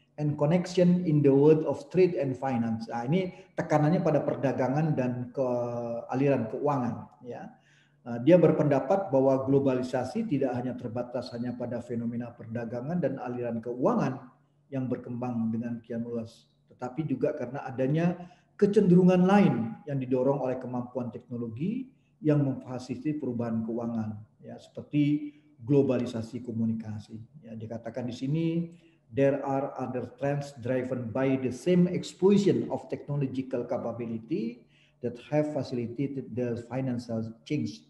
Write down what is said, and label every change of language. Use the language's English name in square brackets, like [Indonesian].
[English] and connection in the world of trade and finance. [Indonesian] Nah, ini tekanannya pada perdagangan dan ke aliran keuangan. Ya. Nah, dia berpendapat bahwa globalisasi tidak hanya terbatas hanya pada fenomena perdagangan dan aliran keuangan yang berkembang dengan kian luas, tetapi juga karena adanya kecenderungan lain yang didorong oleh kemampuan teknologi yang memfasilitasi perubahan keuangan, ya, seperti globalisasi komunikasi. Ya, dikatakan di sini, [English] there are other trends driven by the same explosion of technological capability that have facilitated the financial change.